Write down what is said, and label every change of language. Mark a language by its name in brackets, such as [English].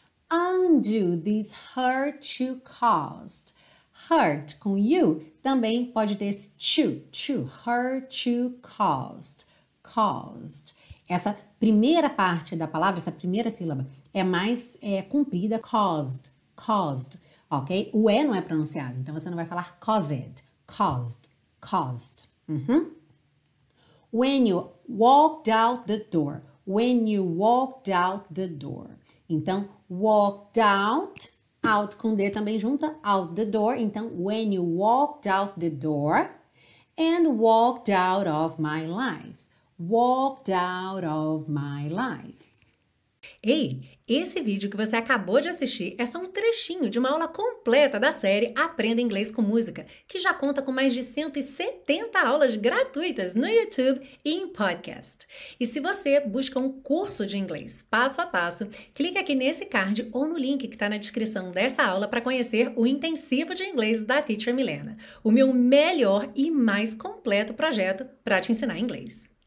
[English] Undo this hurt you caused. [Portuguese] Hurt com you também pode ter esse to. [English] Hurt you caused. Caused. [Portuguese] Essa primeira parte da palavra, essa primeira sílaba, é mais comprida. [English] Caused. Caused. [Portuguese] Ok? O E não é pronunciado. Então você não vai falar caused. [English] Caused. Caused. When you walked out the door. When you walked out the door. [Portuguese] Então, walked out, out com D também junta, [English] out the door. [Portuguese] Então, [English] when you walked out the door and walked out of my life. Walked out of my life. [Portuguese] Ei, esse vídeo que você acabou de assistir é só um trechinho de uma aula completa da série Aprenda Inglês com Música, que já conta com mais de 170 aulas gratuitas no YouTube e em podcast. E se você busca um curso de inglês passo a passo, clique aqui nesse card ou no link que está na descrição dessa aula para conhecer o intensivo de inglês da Teacher Milena, o meu melhor e mais completo projeto para te ensinar inglês.